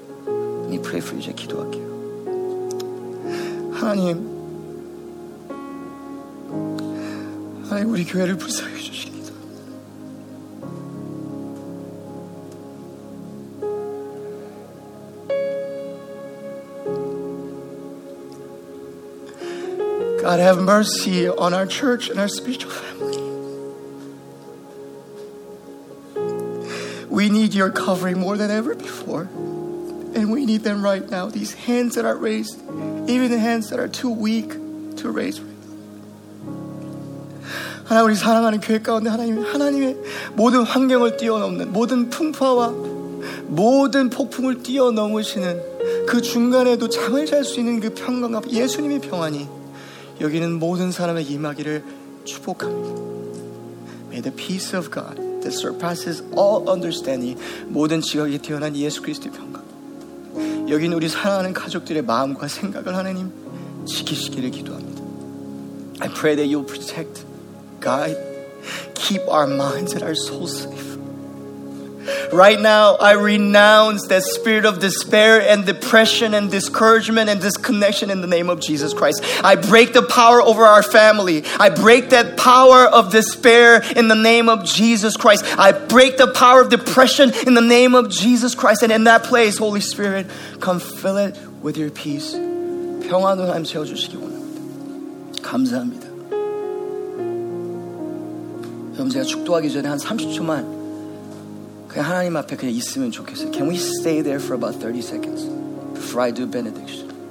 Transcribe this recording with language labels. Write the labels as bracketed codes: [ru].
[en] Let me pray for you, [ko] 이제 기도할게요. 하나님, 하나님, 우리 교회를 불쌍히 주시기 [en] God, have mercy on our church and our spiritual family. We need your covering more than ever before. And we need them right now. These hands that are raised, even the hands that are too weak to raise right now. [ko] 하나님, 우리 사랑하는 교회 가운데 하나님의 모든 환경을 뛰어넘는 모든 풍파와 모든 폭풍을 뛰어넘으시는 그 중간에도 잠을 잘 수 있는 그 평강과 예수님의 평안이 여기는 모든 사람에게 임하기를 축복합니다. [en] May the peace of God that surpasses all understanding [ko] 모든 지각이 뛰어난 예수 그리스도의 평강 여기는 우리 사랑하는 가족들의 마음과 생각을 하나님 지키시기를 기도합니다. [en] I pray that you'll protect, guide, keep our minds and our souls safe. Right now, I renounce that spirit of despair and depression and discouragement and disconnection in the name of Jesus Christ. I break the power over our family. I break that power of despair in the name of Jesus Christ. I break the power of depression in the name of Jesus Christ. And in that place, Holy Spirit, come fill it with your peace. [ko] 평안으로 하나님 채워주시기 원합니다. 감사합니다. 그럼 제가 축도하기 전에 한 30초만 그냥 하나님 앞에 그냥 있으면 좋겠어요. [en] Can we stay there for about 30 seconds before I do benediction?